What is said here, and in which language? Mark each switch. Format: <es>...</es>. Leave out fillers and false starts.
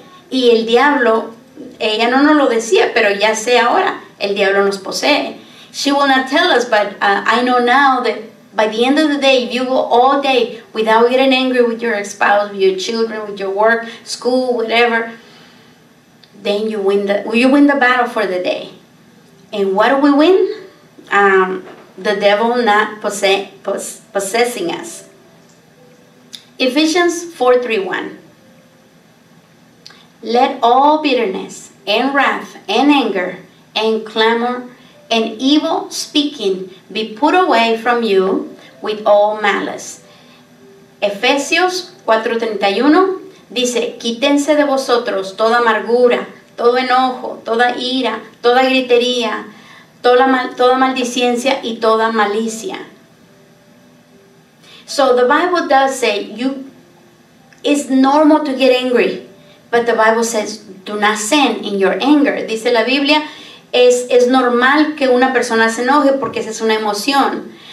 <es>Y el diablo... Ella no nos lo decía, pero ya sé ahora, el diablo nos posee.</es> <en>She will not tell us, but I know now that by the end of the day, if you go all day without getting angry with your spouse, with your children, with your work, school, whatever, then you win the battle for the day. And what do we win? The devil not possessing us. Ephesians 4:31. Let all bitterness and wrath and anger and clamor and evil speaking be put away from you with all malice.</en> <es>Efesios 4:31 dice, quítense de vosotros toda amargura, todo enojo, toda ira, toda gritería, toda maldicencia y toda malicia.</es> <en>So the Bible does say it's normal to get angry. But the Bible says, do not sin in your anger.</en> <es>Dice la Biblia, es normal que una persona se enoje porque esa es una emoción.</es>